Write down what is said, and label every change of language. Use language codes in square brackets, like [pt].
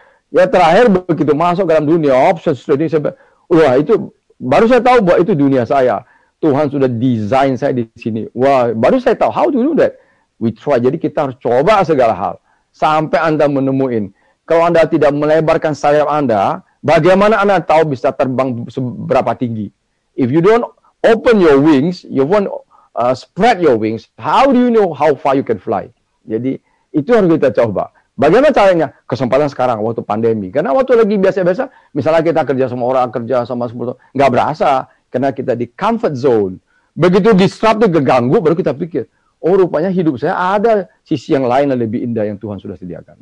[id] Ya terakhir begitu masuk dalam dunia options trading, wah itu baru saya tahu bahwa itu dunia saya. Tuhan sudah desain saya di sini. Wah, baru saya tahu [en] how to do that. We try. [id] Jadi kita harus coba segala hal sampai Anda menemuin. Kalau Anda tidak melebarkan sayap Anda, bagaimana Anda tahu bisa terbang seberapa tinggi? [en] If you don't open your wings, you won't spread your wings. How do you know how far you can fly? [id] Jadi itu harus kita coba. Bagaimana caranya? Kesempatan sekarang waktu pandemi. Karena waktu lagi biasa-biasa, misalnya kita kerja sama orang, kerja sama 10 tahun, nggak berasa. Karena kita di comfort zone. Begitu disrupt, keganggu, baru kita pikir, oh rupanya hidup saya ada sisi yang lain yang lebih indah yang Tuhan sudah sediakan.